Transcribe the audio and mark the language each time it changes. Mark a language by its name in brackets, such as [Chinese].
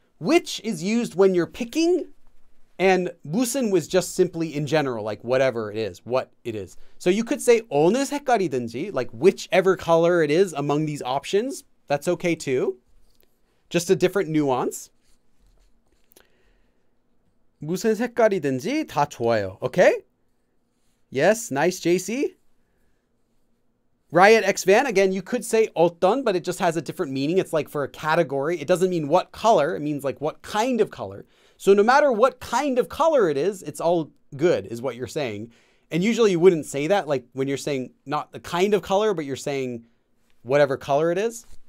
[English] Which is used when you're picking, and 무슨 was just simply in general, like whatever it is, what it is. So you could say [Korean] 오늘 색깔이든지, [English] like whichever color it is among these options, that's okay too. Just a different nuance. [Korean] 무슨 색깔이든지 다 좋아요. [English] Okay? Yes, nice, JC. Riot X Van, again, you could say 어떤, but it just has a different meaning. It's like for a category. It doesn't mean what color. It means like what kind of color. So no matter what kind of color it is, it's all good is what you're saying. And usually you wouldn't say that, like when you're saying not the kind of color, but you're saying whatever color it is.